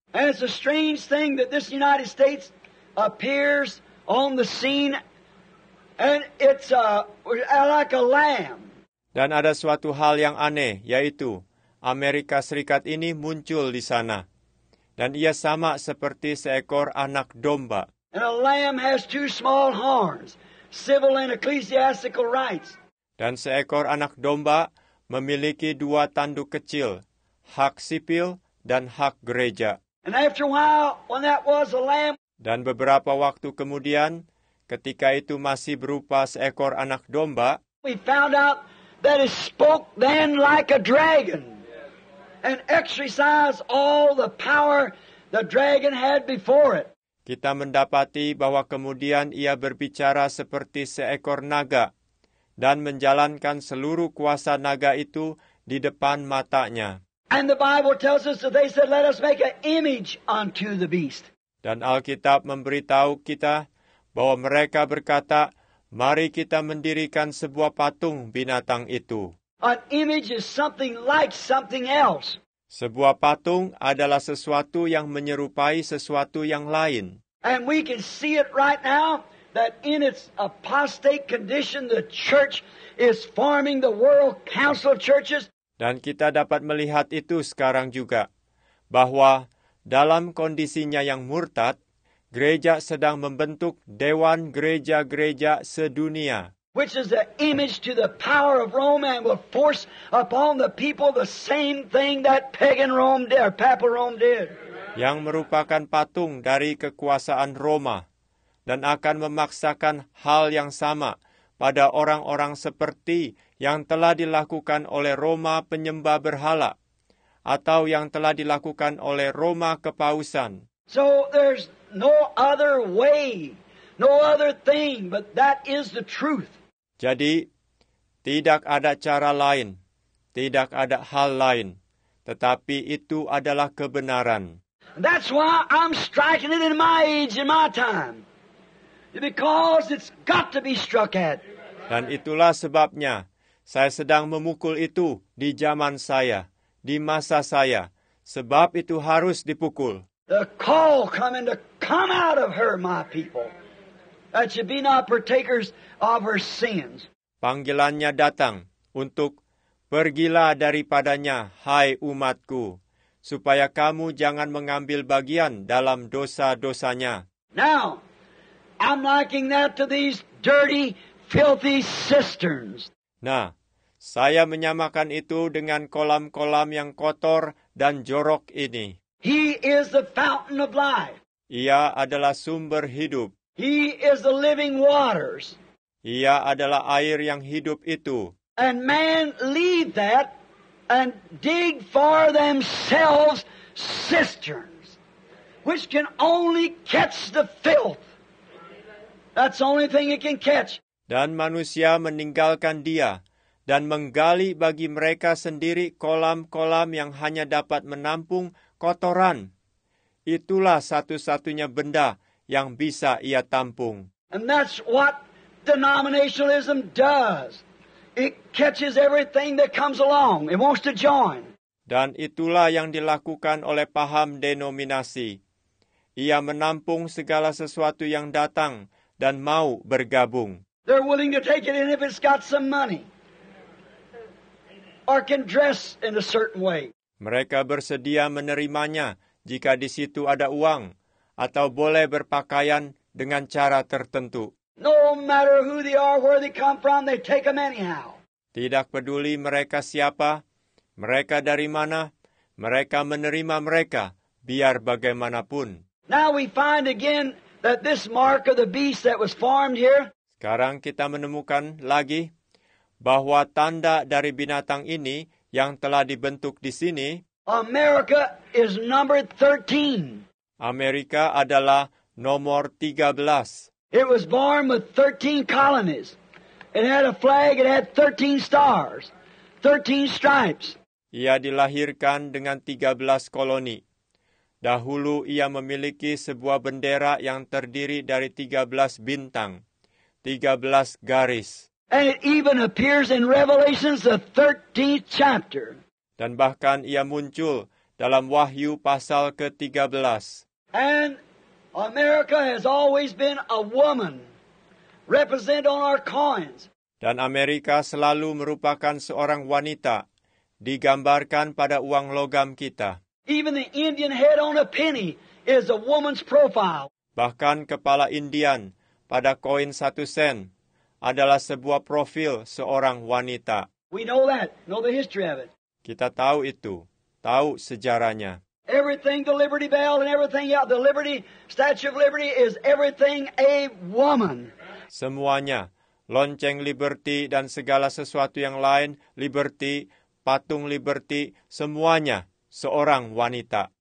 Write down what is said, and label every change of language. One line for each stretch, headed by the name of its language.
English: And it's a strange thing that this United States appears on the scene, and it's like a lamb.
Indonesian: Dan ada suatu hal yang aneh, yaitu Amerika Serikat ini muncul di sana, dan ia sama seperti seekor anak domba.
English: And a lamb has two small horns. Civil and ecclesiastical rights.
Indonesian: Dan seekor anak domba memiliki dua tanduk kecil, hak sipil dan hak gereja.
English: And after a while, when that was a lamb.
Indonesian: Dan beberapa waktu kemudian, ketika itu masih berupa seekor anak domba,
English: we found out that it spoke then like a dragon and exercised all the power the dragon had before it.
Indonesian: Kita mendapati bahwa kemudian ia berbicara seperti seekor naga dan menjalankan seluruh kuasa naga itu di depan matanya.
English: And the Bible tells us that they said, "Let us make an image unto the beast."
Indonesian: Dan Alkitab memberitahu kita bahwa mereka berkata, "Mari kita mendirikan sebuah patung binatang itu."
English: An image is something like something else.
Indonesian: Sebuah patung adalah sesuatu yang menyerupai sesuatu yang lain.
English: And we can see it right now that in its apostate condition the church is forming the world council of churches.
Indonesian: Dan kita dapat melihat itu sekarang juga, bahwa dalam kondisinya yang murtad, gereja sedang membentuk dewan gereja-gereja sedunia.
English: Which is the image to the power of Rome and will force upon the people the same thing that pagan Rome did, or Papal Rome did.
Indonesian: Yang merupakan patung dari kekuasaan Roma dan akan memaksakan hal yang sama pada orang-orang seperti yang telah dilakukan oleh Roma penyembah berhala atau yang telah dilakukan oleh Roma kepausan.
English: So there's no other way, no other thing, but that is the truth.
Indonesian: Jadi, tidak ada cara lain, tidak ada hal lain, tetapi itu adalah kebenaran.
English: That's why I'm striking it in my age, in my time. Because it's got to be struck at.
Indonesian: Dan itulah sebabnya saya sedang memukul itu di zaman saya, di masa saya, sebab itu harus dipukul.
English: The call coming to come out of her, my people. That you be not partakers of her sins.
Indonesian: Panggilannya datang untuk pergilah daripadanya, hai umatku, supaya kamu jangan mengambil bagian dalam dosa-dosanya.
English: Now, I'm liking that to these dirty, filthy cisterns.
Indonesian: Nah, saya menyamakan itu dengan kolam-kolam yang kotor dan jorok ini.
English: He is the fountain of life.
Indonesian: Ia adalah sumber hidup.
English: He is the living waters.
Indonesian: Ia adalah air yang hidup itu.
English: And man leave that and dig for themselves cisterns, which can only catch the filth. That's the only thing it can catch.
Indonesian: Dan manusia meninggalkan dia dan menggali bagi mereka sendiri kolam-kolam yang hanya dapat menampung kotoran. Itulah satu-satunya benda yang bisa ia tampung.
English: And that's what denominationalism does. It catches everything that comes along. It wants to join.
Indonesian: Dan itulah yang dilakukan oleh paham denominasi. Ia menampung segala sesuatu yang datang dan mau bergabung.
English: They're willing to take it in if it's got some money or can dress in a certain way.
Indonesian: Mereka bersedia menerimanya jika di situ ada uang atau boleh berpakaian dengan cara tertentu.
English: No matter who they are, where they come from, they take them anyhow.
Indonesian: Tidak peduli mereka siapa, mereka dari mana, mereka menerima mereka, biar bagaimanapun.
English: Now we find again that this mark of the beast that was formed here.
Indonesian: Sekarang kita menemukan lagi bahwa tanda dari binatang ini yang telah dibentuk di sini.
English: America is number 13.
Indonesian: Amerika adalah nomor 13.
English: It was born with 13 colonies. It had a flag, it had 13 stars. 13 stripes.
Indonesian: Ia dilahirkan dengan 13 koloni. Dahulu ia memiliki sebuah bendera yang terdiri dari 13 bintang, 13 garis.
English: And it even appears in Revelations the 13th chapter.
Indonesian: Dan bahkan ia muncul dalam Wahyu pasal ke-13.
English: And America has always been a woman represented on our coins.
Indonesian: Dan Amerika selalu merupakan seorang wanita digambarkan pada uang logam kita.
English: Even the Indian head on a penny is a woman's profile.
Indonesian: Bahkan kepala Indian pada koin 1 sen adalah sebuah profil seorang wanita.
English: We know that. Know the history of it.
Indonesian: Kita tahu itu. Tahu sejarahnya.
English: Everything, the Liberty Bell and everything, yeah, the Liberty, Statue of Liberty is everything a woman.
Indonesian: Semuanya, lonceng Liberty dan segala sesuatu yang lain, Liberty, patung Liberty, semuanya seorang wanita.